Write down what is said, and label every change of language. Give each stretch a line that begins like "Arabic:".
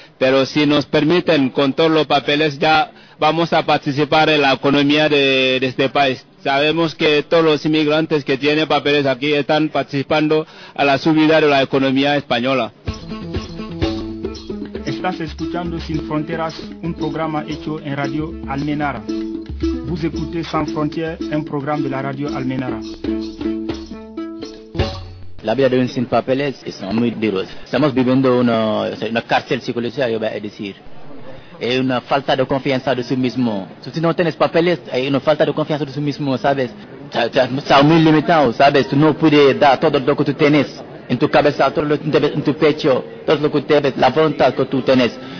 Spanish: Pero si nos permiten con todos los papeles, ya vamos a participar en la economía de este país. Sabemos que todos los inmigrantes que tienen papeles aquí están participando a la subida de la economía española. Estás escuchando Sin Fronteras, un programa hecho en Radio Almenara.
French: Vous écoutez Sans Frontières, un programme de la radio Almenara.
Spanish: La vida de un sin papeles es muy duro. Estamos viviendo una cárcel psicológica, yo voy a decir. Es una falta de confianza de sí mismo. Si no tienes papeles, hay una falta de confianza de sí mismo, ¿sabes? Está muy limitado, ¿sabes? Tú no puedes dar todo lo que tú tienes en tu cabeza, todo lo que tienes en tu pecho, todo lo que tienes, la voluntad que tú tienes.